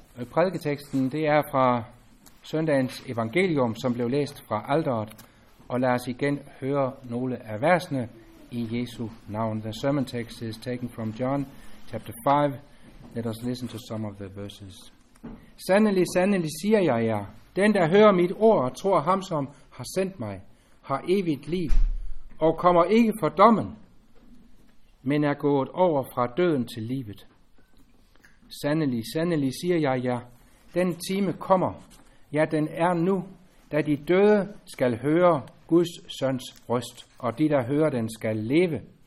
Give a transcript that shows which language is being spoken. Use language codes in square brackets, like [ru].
[da] Prædiketeksten, det er fra søndagens evangelium, som blev læst fra alteret, og lad os igen høre nogle af versene i Jesu navn. [en] The sermon text is taken from John, chapter 5. Let us listen to some of the verses. [da] Sandelig, sandelig siger jeg jer, den der hører mit ord og tror ham, som har sendt mig, har evigt liv, og kommer ikke for dommen, men er gået over fra døden til livet. Sandelig, sandelig siger jeg jer, den time kommer, ja den er nu, da de døde skal høre Guds søns røst, og de der hører den skal leve.